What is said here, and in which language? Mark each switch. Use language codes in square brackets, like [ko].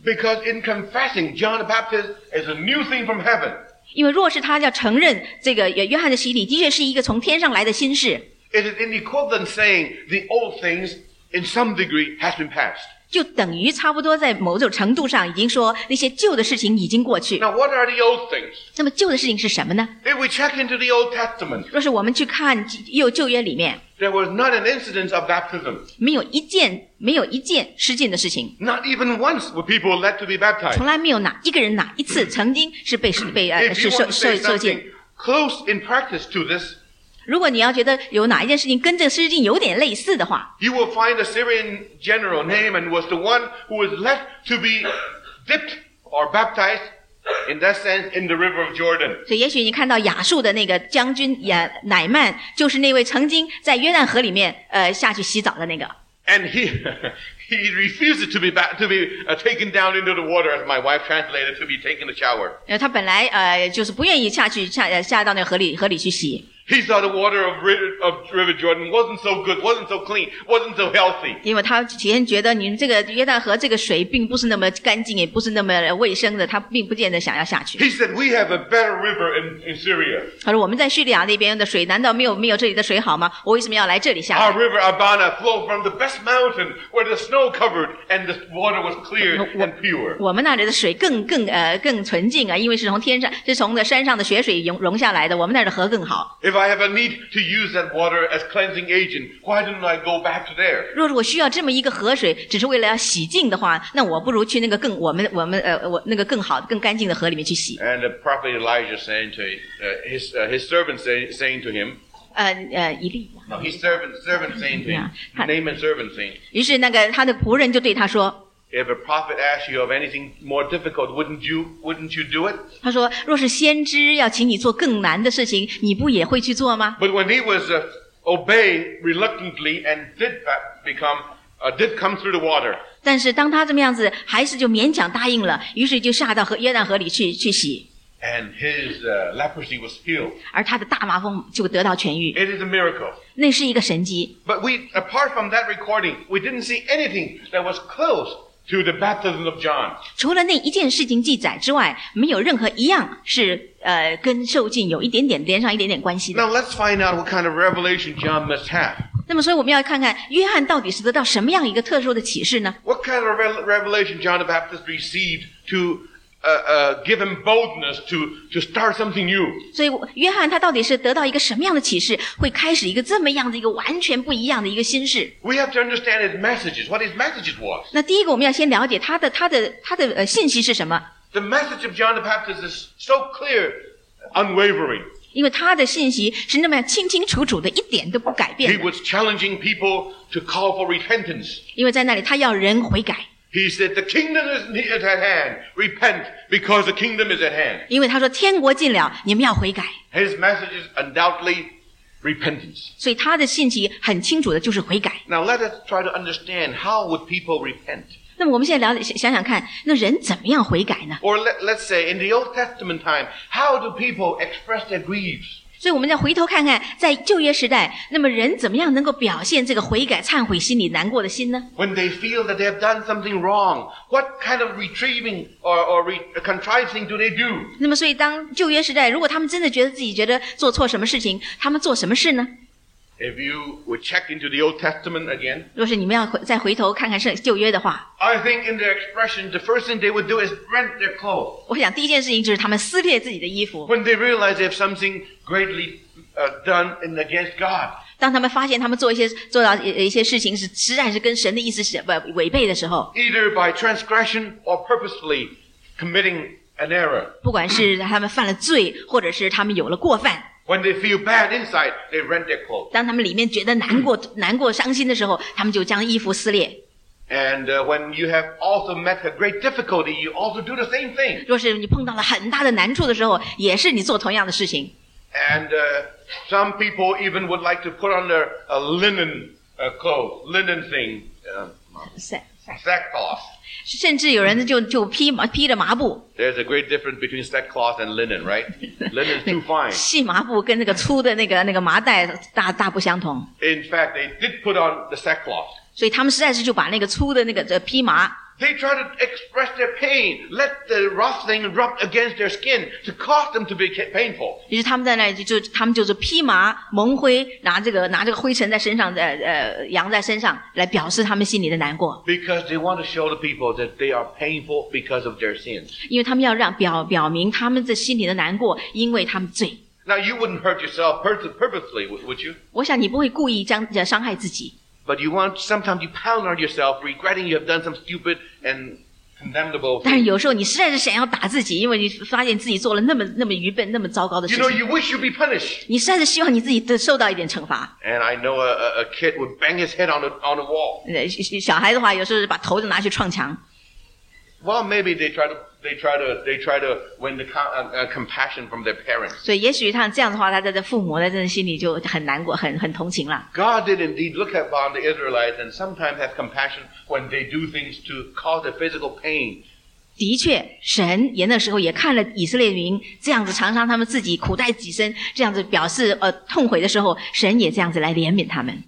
[en] Because in confessing John the Baptist is a new thing from heaven. [zh] 因为若是他要承认这个约翰的洗礼的确是一个从天上来的新事。 [en] It is in equivalent saying the old things. In some degree, has been passed. [zh] 就等于差不多在某种程度上已经说那些旧的事情已经过去。 [en] Now, what are the old things? [zh] 那么旧的事情是什么呢？ [en] If we check into the Old Testament, [zh] 若是我们去看旧约里面， [en] there was not an incident of baptism. [zh] 没有一件施浸的事情。 [en] Not even once were people let to be baptized. [zh] 从来没有哪一个人哪一次曾经是被是受浸。 [en] Close in practice to this. [zh] 如果你要觉得有哪一件事情跟这事情有点类似的话 [en] You will find the Syrian general Naaman was the one who was left to be dipped or baptized in that sense in the river of Jordan. [zh] 所以也许你看到亚述的那个将军乃曼就是那位曾经在约旦河里面下去洗澡的那个。 [en] And he refused to be taken down into the water as my wife translated to be taken a shower. [zh] 他本来就是不愿意下到那个河里去洗。 [en] He thought the water of River Jordan wasn't so good, wasn't so clean, wasn't so healthy. [zh] 因为他起先觉得你这个约旦河这个水并不是那么干净，也不是那么卫生的，他并不见得想要下去。 [en] He said, "We have a better river in Syria." [zh] 他说我们在叙利亚那边的水难道没有这里的水好吗？我为什么要来这里下？ [en] Our river Abana flowed from the best mountain, where the snow covered and the water was clear and pure. [zh] 我们那里的水更纯净啊，因为是从山上的雪水融下来的，我们那儿的河更好。 [en] If I have a need to use that water as cleansing agent, why don't I go back to there? [zh] 若是我需要这么一个河水，只是为了要洗净的话，那我不如去那个更我们我那个更好更干净的河里面去洗。 [en] And the prophet Elijah saying to his servant saying to him. [zh] 以利亚。 [en] No, his servant saying to him. Naaman's servant saying. [zh] 于是那个他的仆人就对他说。 [en] If a prophet asked you of anything more difficult, wouldn't you do it? [zh] 他说，若是先知要请你做更难的事情，你不也会去做吗？ [en] But when he was obeyed reluctantly and did come through the water. [zh] 但是当他这么样子，还是就勉强答应了，于是就下到约旦河里去洗。 [en] And his leprosy was healed. [zh] 而他的大麻风就得到痊愈。 [en] It is a miracle. [zh] 那是一个神迹。 [en] But we, apart from that recording, we didn't see anything that was close to the baptism of John. [zh] 除了那一件事情记载之外，没有任何一样是跟受浸有一点点连上一点点关系的。 [en] Now let's find out what kind of revelation John must have. [zh] 那么所以我们要看看约翰到底是得到什么样一个特殊的启示呢？ [en] What kind of revelation John the Baptist received to give him boldness to start something new. [zh] 所以约翰他到底是得到一个什么样的启示，会开始一个这么样的一个完全不一样的一个新事。 [en] We have to understand his messages, what his messages was. [zh] 那第一个我们要先了解他的信息是什么。 [en] The message of John the Baptist is so clear, unwavering. [zh] 因为他的信息是那么清清楚楚的，一点都不改变。 [en] He was challenging people to call for repentance. [zh] 因为在那里他要人悔改。 [en] He said, "The kingdom is at hand. Repent, because the kingdom is at hand." [zh] 因为他说天国近了，你们要悔改。 [en] His message is undoubtedly repentance. [zh] 所以他的信息很清楚的就是悔改。 [en] Now let us try to understand how would people repent. [zh] 那么我们现在想想看，那人怎么样悔改呢 [en] ？Or let's say in the Old Testament time, how do people express their grief? [zh] 所以我们再回头看看，在旧约时代，那么人怎么样能够表现这个悔改、忏悔心里难过的心呢 [en] ？When they feel that they have done something wrong, what kind of retrieving or contriving do they do？ [zh] 那么，所以当旧约时代，如果他们真的觉得自己觉得做错什么事情，他们做什么事呢 [en] ？If you would check into the Old Testament again， [zh] 若是你们要再回头看看是旧约的话 [en] ，I think in their expression, the first thing they would do is rent their clothes。 [zh] 我想第一件事情就是他们撕裂自己的衣服。 [en] When they realize they have something greatly done in against God. [zh] 当他们发现他们做到一些事情是实在是跟神的意思违背的时候 [en] ，either by transgression or purposefully committing an error. [zh] 不管是他们犯了罪，或者是他们有了过犯 [en] ，when they feel bad inside, they rend their clothes. [zh] 当他们里面觉得难过、伤心的时候，他们就将衣服撕裂。 [en] And when you have also met a great difficulty, you also do the same thing. [zh] 若是你碰到了很大的难处的时候，也是你做同样的事情。 [en] And some people even would like to put on their linen clothes, linen thing, sackcloth. [zh] 甚至有人就披着麻布。 [en] There's a great difference between sackcloth and linen, right? Linen is too fine. [zh] 细麻布跟那个粗的那个麻袋大不相同。 [en] In fact, they did put on the sackcloth. [zh] 所以他们实在是就把那个粗的那个披麻。 [en] They try to express their pain, let the rustling rub against their skin to cause them to be painful. [zh] 于是他们在那里他们就是披麻蒙灰，拿这个灰尘在身上，扬在身上，来表示他们心里的难过。 [en] Because they want to show the people that they are painful because of their sins. [zh] 因为他们要让表明他们这心里的难过，因为他们罪。 [en] Now you wouldn't hurt yourself purposely, would you? [zh] 我想你不会故意伤害自己。 [en] But you want, sometimes you pound on yourself, regretting you have done some stupid and condemnable thing. [zh] 但是有时候你实在是想要打自己，因为你发现自己做了那么愚笨、那么糟糕的事情。 [en] You know, you wish you'd be punished. [zh] 你实在是希望你自己受到一点惩罚。 [en] And I know a kid would bang his head on the wall. [zh] 小孩的话，有时候把头就拿去撞墙。 [en] Well, maybe they try to win the compassion from their parents. [zh] 所以也许他这样的话，他在父母的心里就很难过，很同情了。 [en] God did indeed look upon the Israelites and sometimes have compassion when they do things to cause a physical pain. [zh] 的确，神也那时候也看了以色列民这样子常常他们自己苦待己身，这样子表示痛悔的时候，神也这样子来怜悯他们。